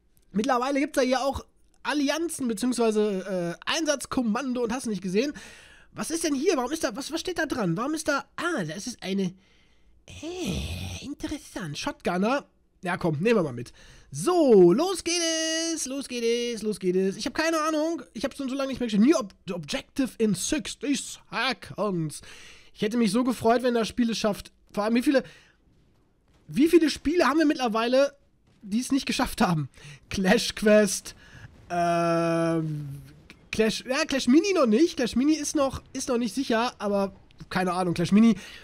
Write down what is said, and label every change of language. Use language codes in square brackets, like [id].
[de] Mittlerweile gibt es da ja auch Allianzen, beziehungsweise Einsatzkommando und hast du nicht gesehen. Was ist denn hier, warum ist da, was steht da dran, warum ist da, das ist eine, interessant, Shotgunner. Ja, komm, nehmen wir mal mit. So, los geht es. Ich habe keine Ahnung. Ich habe so lange nicht mehr gespielt. [en] New Objective in 60 Seconds. [de] Ich hätte mich so gefreut, wenn das Spiel es schafft. Vor allem, wie viele Spiele haben wir mittlerweile, die es nicht geschafft haben? Clash Quest, Clash Mini noch nicht. Clash Mini ist noch nicht sicher, aber keine Ahnung, Clash Mini.